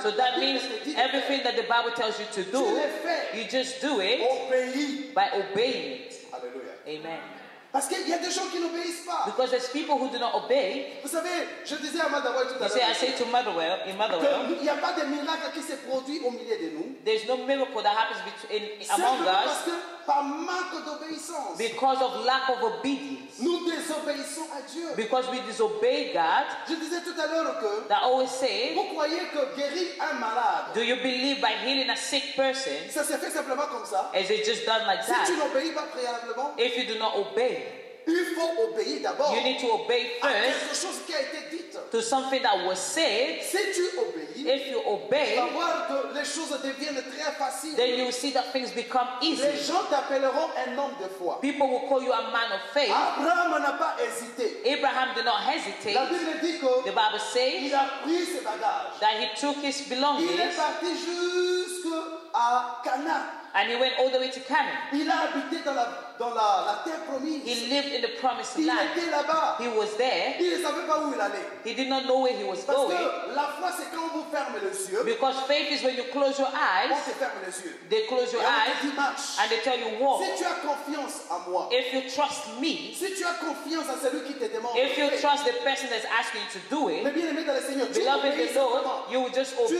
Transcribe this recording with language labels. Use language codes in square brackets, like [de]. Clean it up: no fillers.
[en] so that means everything that the Bible tells you to do, you just do it [fr] obéir. [en] By obeying it. Alleluia. Amen. [fr] Parce qu'il y a des gens qui n'obéissent pas. [en] Because there's people who do not obey. [fr] Vous savez, je disais à Motherwell tout à l'heure. [en] You say, I say to Motherwell, in Motherwell. [fr] Il n'y a pas de miracle qui se produit au milieu de nous. [en] There's no miracle that happens between among us. [fr] Parce que par manque d'obéissance. [en] Because of lack of obedience. [fr] Nous désobéissons à Dieu. [en] Because we disobey God. [fr] Je disais tout à l'heure que. [en] That always say. [fr] Vous croyez que guérir un malade. [en] Do you believe by healing a sick person? [fr] Ça se fait simplement comme ça. [en] Is it just done like [fr] si [en] that? [fr] Si tu n'obéis pas préalablement. [en] If you do not obey. [fr] Il faut obéir d'abord. [en] You need to obey first. [fr] À quelque chose qui a été dit. [en] To something that was said. [fr] Si tu obéis, [en] if you obey, [fr] tu vas voir que les choses deviennent très faciles. [en] Then you see that things become easy. [fr] Les gens t'appelleront un homme de foi. [en] People will call you a man of faith. [fr] Abraham n'a pas hésité. [en] Abraham did not hesitate. [fr] La Bible dit que [en] the Bible says [fr] il a pris ses bagages. [en] That he took his belongings. [fr] Il est parti jusque à Cana. [en] And he went all the way to Canaan. [fr] Il a habité dans la terre promise. [en] He lived in the promised land. [fr] Il était là-bas. [en] He was there. [fr] Il ne savait pas où il allait. [en] He did not know where he was [fr] parce [en] going. [fr] Que la foi, c'est quand vous fermez les yeux. [en] Because faith is when you close your eyes. [fr] On ferme les yeux. [en] They close your [fr] et [en] eyes. [fr] Dit, [en] and they tell you walk. [fr] Si tu as confiance à moi. [en] If you trust me. [fr] Si tu as confiance à celui qui te demande. [en] If you trust the person that's asking you to do it. [fr] Mais bien aimé dans le Seigneur. [en] Beloved in the Lord, you will just obey.